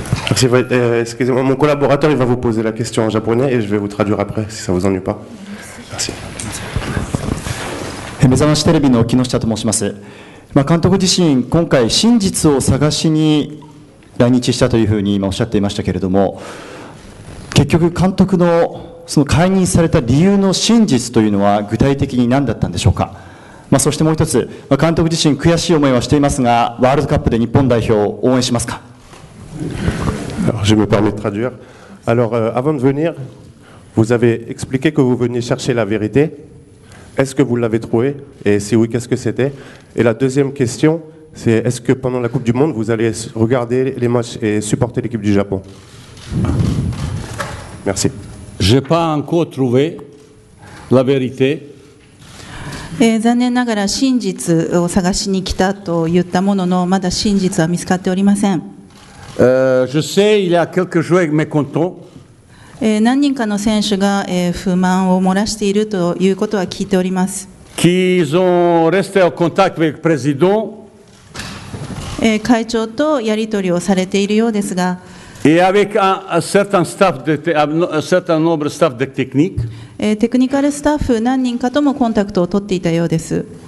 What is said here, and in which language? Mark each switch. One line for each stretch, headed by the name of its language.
French: Excusez-moi, mon collaborateur il va vous poser la question en japonais et je vais vous traduire après si ça vous ennuie pas. Merci.
Japanese: 目覚ましテレビの木下と申します。まあ、監督自身今回真実を探しに来日したというふうに今おっしゃっていましたけれども、結局監督のその解任された理由の真実というのは具体的に何だったんでしょうか。まあ、そしてもう一つ、まあ、監督自身悔しい思いはしていますが、ワールドカップで日本代表を応援しますか。
French: Alors, je me permets de traduire. Alors, avant de venir, vous avez expliqué que vous veniez chercher la vérité. Est-ce que vous l'avez trouvée? Et si oui, qu'est-ce que c'était? Et la deuxième question, c'est est-ce que pendant la Coupe du Monde, vous allez regarder les matchs et supporter l'équipe du Japon? Merci. Je n'ai pas encore trouvé la vérité.
Japanese: 残念ながら真実を探しに来たと言ったものの、まだ真実は見つかっておりません。
French: Je sais, il y a quelques joueurs mécontents.
Japanese: 何人かの選手が不満を漏らしているということは聞いております。
French: Qu'ils ont resté en contact avec le président.
Japanese: 会長とやり取りをされているようですが。
French: Et avec un certain staff de certain nombre staff de technique.
Japanese: テクニカルスタッフ何人かともコンタクトを取っていたようです。